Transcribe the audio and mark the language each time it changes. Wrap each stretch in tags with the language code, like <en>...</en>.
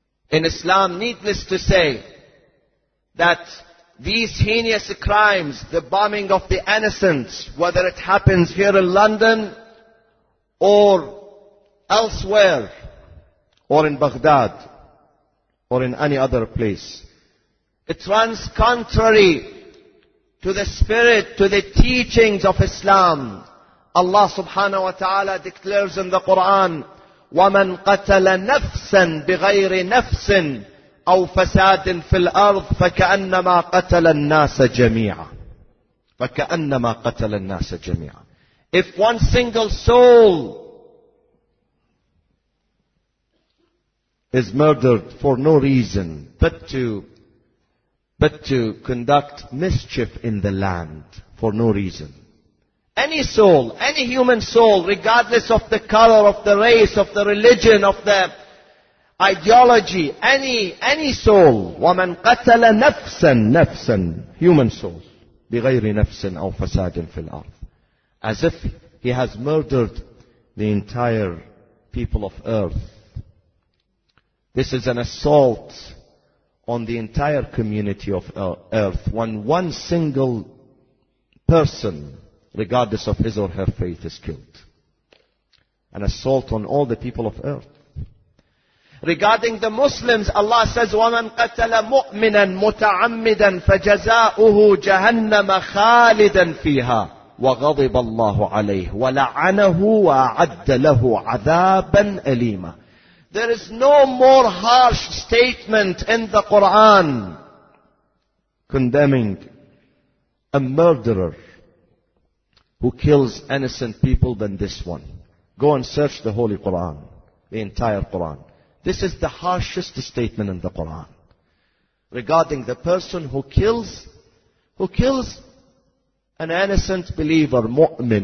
<en>In Islam, needless to say, that these heinous crimes, the bombing of the innocents, whether it happens here in London or elsewhere, or in Baghdad, or in any other place, it runs contrary to the spirit, to the teachings of Islam. Allah subhanahu wa ta'ala declares in the Quran,</en> <ar>وَمَنْ قَتَلَ نَفْسًا بِغَيْرِ نَفْسٍ أَوْ فَسَادٍ فِي الْأَرْضِ فَكَأَنَّمَا قَتَلَ النَّاسَ جَمِيعًا فَكَأَنَّمَا قَتَلَ النَّاسَ جَمِيعًا.</ar> <en>If one single soul is murdered for no reason but to conduct mischief in the land for no reason, any soul, any human soul, regardless of the color, of the race, of the religion, of the ideology, any soul,</en> <ar>وَمَنْ قَتَلَ نَفْسًا نَفْسًا,</ar> <en>human soul,</en> <ar>بِغَيْرِ نَفْسٍ أَوْ فَسَادٍ فِي الْأَرْضِ,</ar> <en>as if he has murdered the entire people of earth. This is an assault on the entire community of earth when one single person, regardless of his or her faith, is killed. An assault on all the people of earth. Regarding the Muslims, Allah says,</en> <ar>وَمَنْ قَتَلَ مُؤْمِنًا مُتَعَمِّدًا فَجَزَاؤُهُ جَهَنَّمَ خَالِدًا فِيهَا وَغَضِبَ اللَّهُ عَلَيْهُ وَلَعَنَهُ وَأَعَدَّ لَهُ عَذَابًا أَلِيمًا.</ar> <en>There is no more harsh statement in the Quran condemning a murderer who kills innocent people than this one. Go and search the Holy Quran, the entire Quran. This is the harshest statement in the Quran regarding the person who kills an innocent believer, mu'min.</en>